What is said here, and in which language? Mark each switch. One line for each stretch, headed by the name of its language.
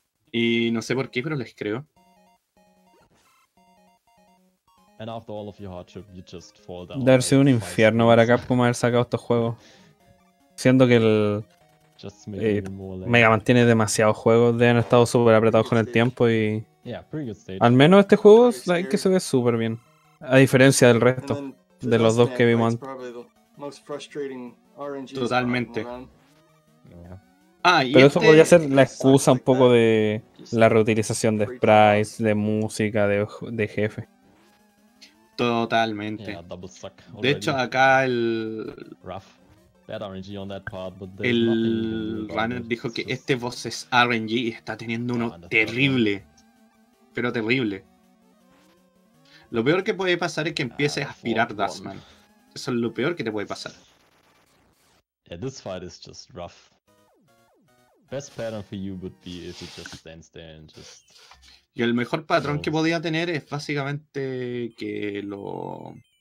Spanish: Y no sé por qué, pero les creo.
English: And after all of your hardship, you just fall down.
Spanish: Debe ser un infierno para Capcom haber sacado estos juegos. Siendo que el Mega Man tiene demasiados juegos, deben haber estado súper apretados con el tiempo y... Al menos este juego es que se ve súper bien. A diferencia del resto, de los dos que vimos antes. Totalmente. Pero eso podría ser la excusa un poco de la reutilización de sprites, de música, de jefe. Totalmente. De hecho, acá el runner dijo que este boss es RNG y está teniendo uno terrible. Pero terrible. Lo peor que puede pasar es que empieces a aspirar Dustman. Eso es lo peor que te puede pasar.
English: This fight is just rough. Best pattern for you would be if it just stands there and just...
Spanish: Y el mejor patrón que podía tener es básicamente que lo...